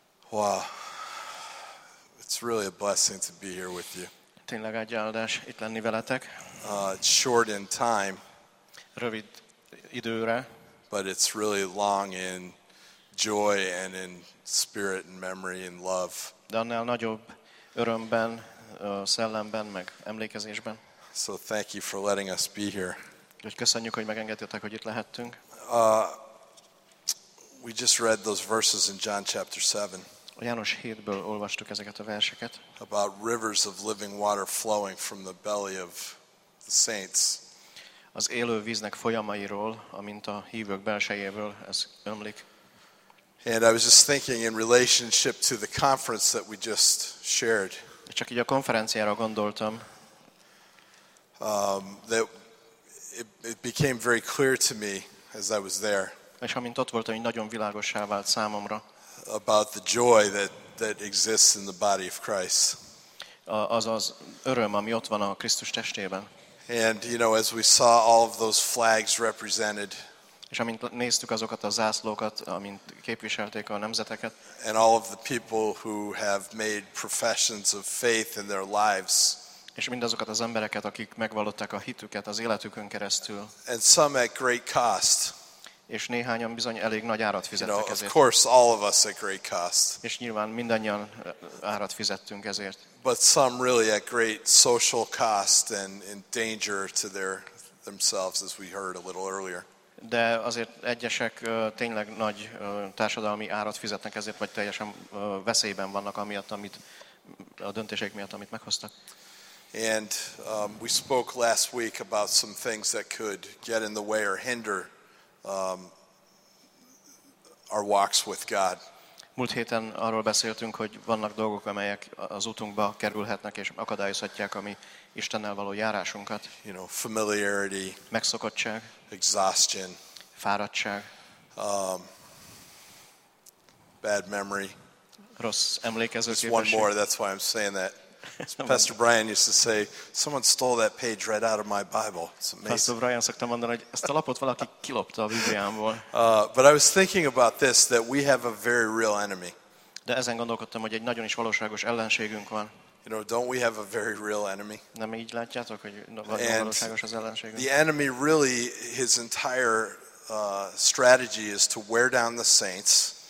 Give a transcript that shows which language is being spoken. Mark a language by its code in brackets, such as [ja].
[en] Wow. It's really a blessing to be here with you. [hu] Tényleg egy áldás itt lenni veletek. [en] It's short in time. [hu] Rövid időre. [en] But it's really long in joy and in spirit and memory and love. [hu] De annál nagyobb örömben, szellemben, meg emlékezésben. [en] So thank you for letting us be here. [hu] Köszönjük, hogy megengedtétek, hogy itt lehettünk. [en] We just read those verses in John chapter 7. [hu] A János 7-ből olvastuk ezeket a verseket. [en] About rivers of living water flowing from the belly of the saints. [hu] Az élő víznek folyamairól, amint a hívők belsejéből ez ömlik. [en] And I was just thinking in relationship to the conference that we just shared. [hu] Csak így a konferenciára gondoltam. [en] That it became very clear to me as I was there. [hu] És amint ott voltam, így nagyon világossá vált számomra. [en] About the joy that exists in the body of Christ. [hu] Az öröm, ami ott van a Krisztus testében. [en] And you know, as we saw all of those flags represented. [hu] És amint néztük azokat a zászlókat, amint képviselték a nemzeteket. [en] And all of the people who have made professions of faith in their lives. [hu] És mindazokat az embereket, akik megvallották a hitüket az életükön keresztül. [en] And some at great cost. [hu] és néhányan bizony elég nagy árat fizettek ezért. [en] Of course, all of us at great cost. [hu] És nyilván mindannyian árat fizettünk ezért. [en] But some really at great social cost and in danger to themselves, as we heard a little earlier. [hu] De azért egyesek tényleg nagy társadalmi árat fizetnek ezért, vagy teljesen veszélyben vannak amiatt, amit a döntések miatt, amit meghoztak. [en] And we spoke last week about some things that could get in the way or hinder our walks with God. [hu] Múlt héten arról beszéltünk, hogy vannak dolgok, amelyek az útunkba kerülhetnek és akadályozhatják a mi Istennel való járásunkat. [en] You know, familiarity. [hu] Megszokottság. [en] Exhaustion. [hu] Fáradtság. [en] Bad memory. [hu] Rossz emlékezőképesség. [en] Just one more, that's why I'm saying that. Pastor Brian used to say, someone stole that page right out of my Bible. It's amazing. [hu] Pastor Brian szoktam mondani, hogy ezt a lapot valaki kilopta a Bibliámból. [en] But I was thinking about this, that we have a very real enemy. [hu] De ezen gondolkodtam, hogy egy nagyon is valóságos ellenségünk van. [en] You know, don't we have a very real enemy? [hu] Nem így látjátok, hogy nagyon valóságos az ellenségünk? [en] The enemy really, his entire strategy is to wear down the saints.